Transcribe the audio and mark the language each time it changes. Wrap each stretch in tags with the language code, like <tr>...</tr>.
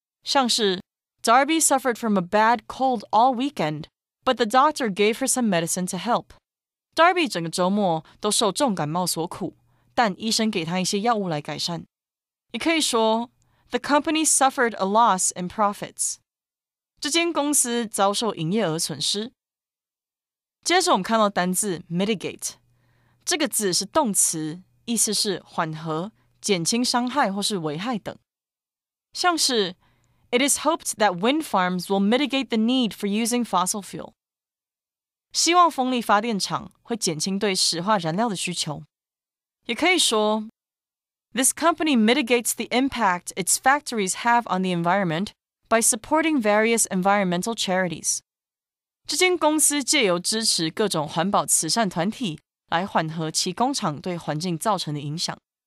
<zh>像是</zh> <en>Darby suffered from a bad cold all weekend, but the doctor gave her some medicine to help.</en> <zh>Darby 整个周末都受重感冒所苦但医生给他一些药物来改善。也可以说</zh> <en>The company suffered a loss in profits.</en> <zh>这间公司遭受营业额损失。接着我们看到单字 mitigate. 这个字是动词，意思是缓和、减轻伤害或是危害等。像是</zh> <en>It is hoped that wind farms will mitigate the need for using fossil fuel.</en> <zh>希望风力发电厂会减轻对石化燃料的需求。也可以说</zh> <en>This company mitigates the impact its factories have on the environment by supporting various environmental charities.</en> <zh>这间公司借由支持各种环保慈善团体来缓和其工厂对环境造成的影响。</zh>